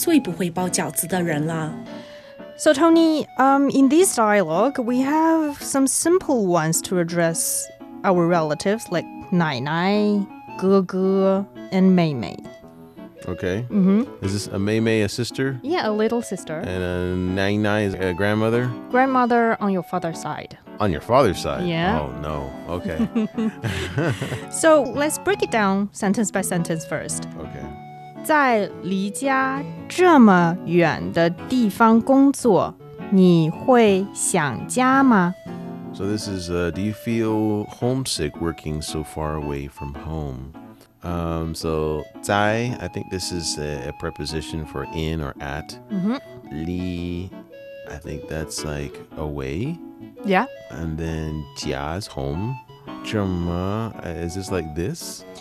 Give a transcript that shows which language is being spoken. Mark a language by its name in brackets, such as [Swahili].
[Chinese] 我也特别想吃我奶奶亲手包的饺子。一说到饺子，我就想起了我哥，他总是笨手笨脚的，会把包饺子的面粉撒一地。在我们家，我妹妹是那个最不会包饺子的人了。So [English] Tony, in this dialogue, we have some simple ones to address our relatives, like 奶奶, 哥哥, and 妹妹. Okay. Mm-hmm. Is this a Meimei, a sister? Yeah, a little sister. And a Nainai is a grandmother? Grandmother on your father's side. On your father's side? Yeah. Oh, no. Okay. So let's break it down sentence by sentence first. Okay. [Chinese] 在离家这么远的地方工作，你会想家吗？ [English] So this is, do you feel homesick working so far away from home? So, 在, I think this is a preposition for in or at. Li, I think that's like away. Yeah. And then 家 is home. 这么, is this like this?